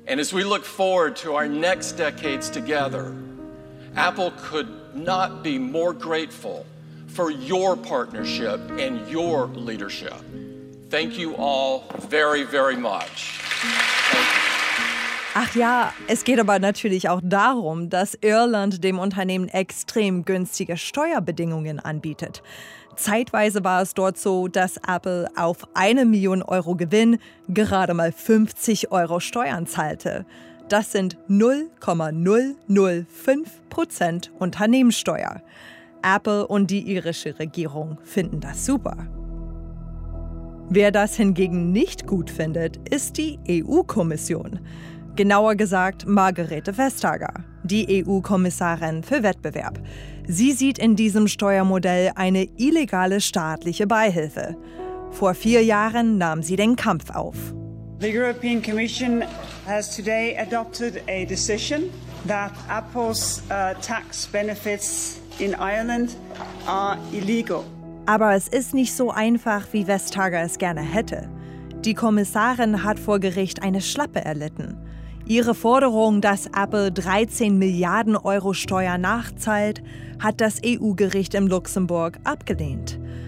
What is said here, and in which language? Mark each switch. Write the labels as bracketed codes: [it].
[en] And as we look forward to our next decades together, Apple could not be more grateful for your partnership and your leadership. Thank you all very, very much. [de] Ach ja, es geht aber natürlich auch darum, dass Irland dem Unternehmen extrem günstige Steuerbedingungen anbietet. Zeitweise war es dort so, dass Apple auf 1 Million Euro Gewinn gerade mal 50 Euro Steuern zahlte. Das sind 0,005% Unternehmenssteuer. Apple und die irische Regierung finden das super. Wer das hingegen nicht gut findet, ist die EU-Kommission. Genauer gesagt Margrethe Vestager, die EU-Kommissarin für Wettbewerb. Sie sieht in diesem Steuermodell eine illegale staatliche Beihilfe. Vor 4 Jahren nahm sie den Kampf auf. [en] The European Commission has today adopted a decision that Apple's tax benefits in Ireland are illegal. [de] Aber es ist nicht so einfach, wie Vestager es gerne hätte. Die Kommissarin hat vor Gericht eine Schlappe erlitten. Ihre Forderung, dass Apple 13 Milliarden Euro Steuer nachzahlt, hat das EU-Gericht in Luxemburg abgelehnt.